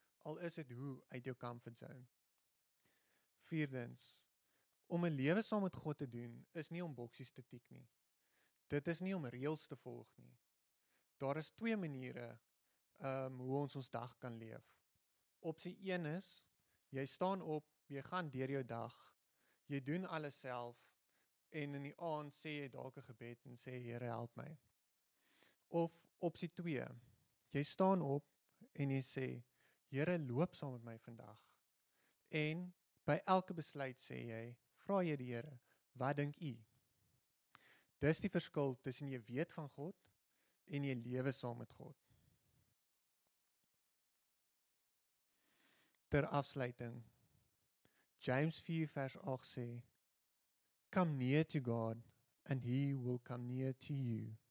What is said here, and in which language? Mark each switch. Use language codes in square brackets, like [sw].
[af] Al is dit hoe uit jou comfort zone. Vierdens, Om 'n lewe saam met God te doen, is nie om boksies te tik nie. Dit is nie om reëls te volg nie. Daar is 2 maniere hoe ons dag kan leef. Opsie 1 is, jy staan op, jy gaan deur jou dag, jy doen alles self, en in die aand sê jy dalk 'n gebed en sê, Here, help my. Of opsie 2, jy staan op en jy sê, Here, loop saam met my vandag. En by elke besluit sê jy, vra jy die Here, wat dink u? Dis die verskil tussen jy weet van God en jy lewe saam met God. Ter afsluiting, James 4 vers 8 sê, [en] Come near to God, and he will come near to you.